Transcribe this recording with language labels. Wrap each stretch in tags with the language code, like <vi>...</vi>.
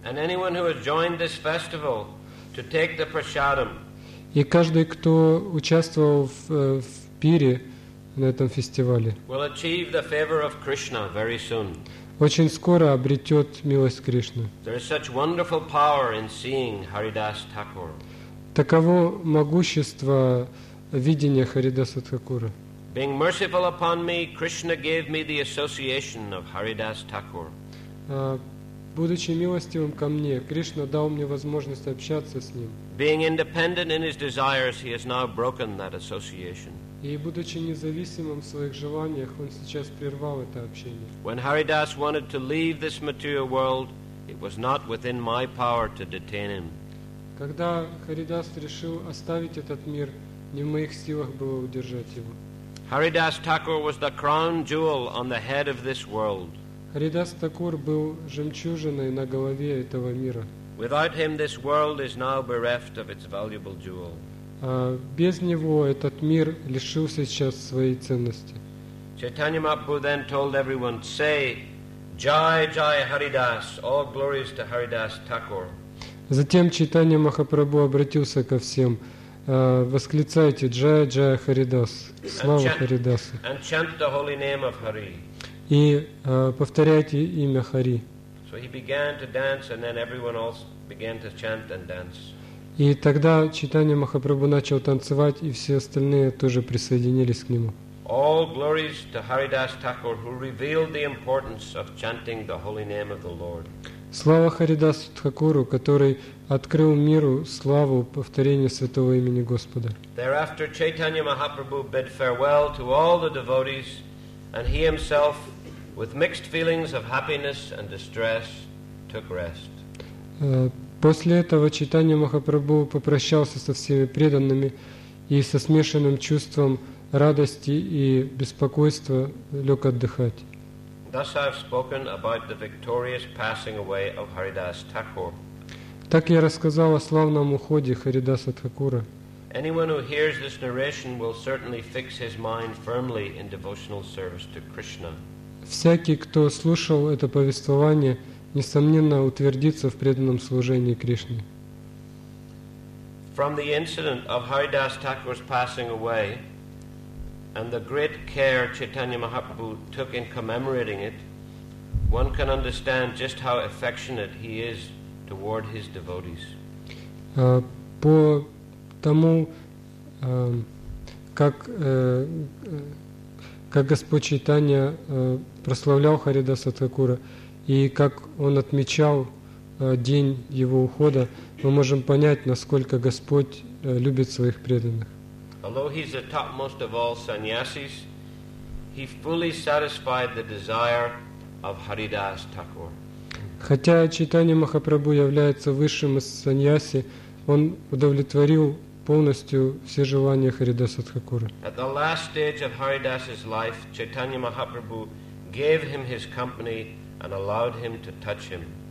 <en>And anyone who has joined this festival to take the prasadam.</en> <ru>И каждый, кто участвовал в пире на этом фестивале.</ru> <en>Will achieve the favor of Krishna very soon.</en> <ru>Очень скоро обретет милость Кришны.</ru> <en>There is such wonderful power in seeing Haridas Thakur.</en> <ru>Таково могущество видения Харидаса Тхакура.</ru> <en>Being merciful upon me, Krishna gave me the association of Haridas Thakur.</en> <ru>Будучи милостивым ко мне, Кришна дал мне возможность общаться с ним.</ru> <en>Being independent in his desires, he has now broken that association.</en> <ru>И будучи независимым в своих желаниях, он сейчас прервал это общение.</ru> <en>When Haridas wanted to leave this material world, it was not within my power to detain him.</en> <ru>Когда Харидас решил оставить этот мир, не в моих силах было удержать его.</ru> <en>Haridas Thakur was the crown jewel on the head of this world.</en> <ru>Haridas Thakur был жемчужиной на голове этого мира.</ru> <en>Without him, this world is now bereft of its valuable jewel.</en> <ru>Без него этот мир лишился сейчас своей ценности.</ru> <en>Chaitanya Mahaprabhu then told everyone, "Say, Jai Jai Haridas, all glories to Haridas Thakur."</en> <ru>Затем Чайтанья Махапрабху обратился ко всем. Восклицайте Джая Джая Харидас, слава Харидасу.</ru> <en>And chant the holy name of Hari.</en> <ru>И повторяйте имя Хари.</ru> <en>So he began to dance, and then everyone else began to chant and dance.</en> <ru>И тогда Чайтанья Махапрабху начал танцевать, и все остальные тоже присоединились к нему.</ru> <en>All glories to Haridas Thakur, who revealed the importance of chanting the holy name of the Lord.</en> <ru>Слава Харидасу Тхакуру, который открыл миру славу повторения святого имени Господа.</ru> <en>Thereafter, Chaitanya Mahaprabhu bid farewell to all the devotees, and he himself, with mixed feelings of happiness and distress, took rest.</en> <ru>После этого Чайтанья Махапрабху попрощался со всеми преданными и со смешанным чувством радости и беспокойства лег отдыхать.</ru> <en>Thus I have spoken about the victorious passing away of Haridas Thakur.</en> <ru>Так я рассказал о славном уходе Харидаса Тхакура.</ru> <en>Anyone who hears this narration will certainly fix his mind firmly in devotional service to Krishna.</en> <ru>Всякий, кто слушал это повествование, несомненно утвердится в преданном служении Кришне.</ru> <en>From the incident of Haridas Thakur's passing away, and the great care Chaitanya Mahaprabhu took in commemorating it, one can understand just how affectionate he is toward his devotees.</en> <ru>По тому, как Господь Чайтанья прославлял Харидаса Тхакура и как он отмечал день его ухода, мы можем понять, насколько Господь любит своих преданных.</ru> <en>Although he's the topmost of all sannyasis, he fully satisfied the desire of Haridas Thakur.</en> <ru>Хотя Чайтанья Махапрабху является высшим из саньяси, он удовлетворил полностью все желания Харидаса Тхакура.</ru> <en>At the last stage of Haridas's life, Чайтанья Махапрабху gave him his company and allowed him to touch him.</en>